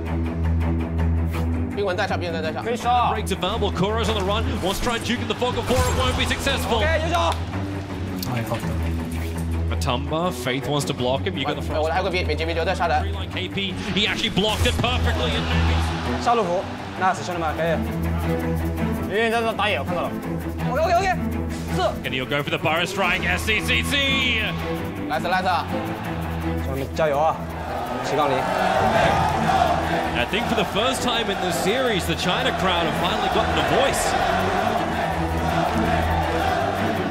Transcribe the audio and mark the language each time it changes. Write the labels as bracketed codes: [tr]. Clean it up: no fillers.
[zh] 悠悠，你这把就真狠，好吧，兄弟。冰魂在上，冰魂在上，可以杀。 [en] Break the bubble. Kuro's on the run. Wants to try and juke in the fog of war. It won't be successful. Okay, 悠悠。I fucked up. Matumba, Faith wants to block him. You got the front. [zh] 我来个别，别接，别接，我再杀他。 [en] KP, he actually blocked it perfectly. [zh] 杀路虎 ，nice， 兄弟们，可以。因为在那打野，看到了。OK， [en] 是。And you'll go for the Burrow Strike, SCCC. Nice. [zh] 兄弟们加油啊！齐刚林。 [en] I think for the first time in the series, the China crowd have finally gotten a voice.